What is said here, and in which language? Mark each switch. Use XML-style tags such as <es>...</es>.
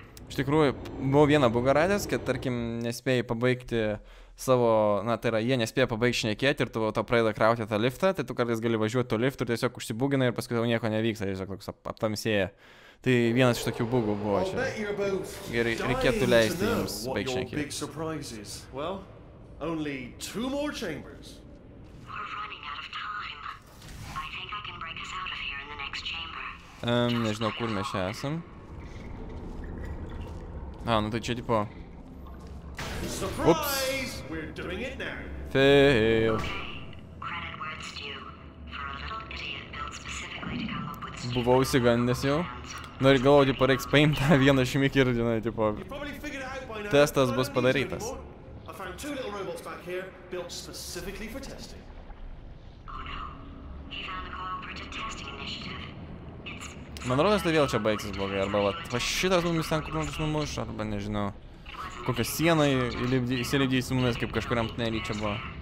<lt>Iš tikrųjų, buvo viena bugaradės, kad tarkim nespėjai pabaigti savo, na tai yra, jie nespėjo pabaigti šnekėti ir tu tau praeida krauti tą liftą, tai tu kartais gali važiuoti to liftu ir tiesiog užsibūginai ir paskui tau nieko nevyksta, tiesiog toks aptamsėja. Tai vienas iš tokių bugų buvo čia. Gerai, reikėtų leisti jums baigti šnekėti.</lt> <en>Only two more chambers. We're running out of time. I think I can break us out of here in the next chamber.</en> <lt>Nežinau, kur mes čia esam. A, nu tai čia tipo...</lt> <en>Surprise! We're doing it now. Fail. Okay, credit where it's due. For a little idiot built specifically to come up with...</en> <lt>Buvau įsigandęs jau. Nu ir galvoju, tipo, reiks paimt tą vieną šmikį ir, žinai, tipo... Testas bus padarytas.</lt> <en>Two little robots back here, built specifically for testing. Oh no, he found the cooperative testing initiative. It's...</en> <lt>Man rodos, tai vėl čia baigsis blogai, arba vat, va šitas mumis ten kur nors numuš, arba nežinau, kokią sieną įsilidį su mumis, kaip kažkuriam tunelį čia buvo.</lt>